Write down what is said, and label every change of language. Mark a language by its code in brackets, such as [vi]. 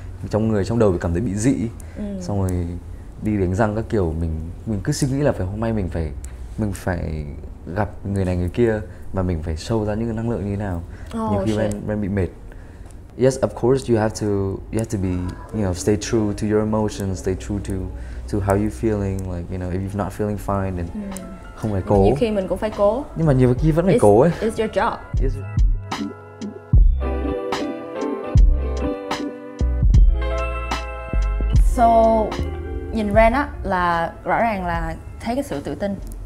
[vi] trong người, trong đầu cảm thấy bị dị. Xong rồi đi đánh răng các kiểu, mình cứ suy nghĩ là phải hôm nay mình phải gặp người này người kia và mình phải show ra những năng lượng như thế nào. Nhiều khi Ren bị mệt. [en] Yes, of course you have to be, you know, stay true to your emotions, stay true to how you feeling, like, you know, if you're not feeling fine then [vi] không phải cố. Nhiều khi mình cũng phải cố. Nhưng mà nhiều khi vẫn phải cố ấy. [en] It's your job. Yes. [vi] So nhìn Ren á là rõ ràng là thấy cái sự tự tin.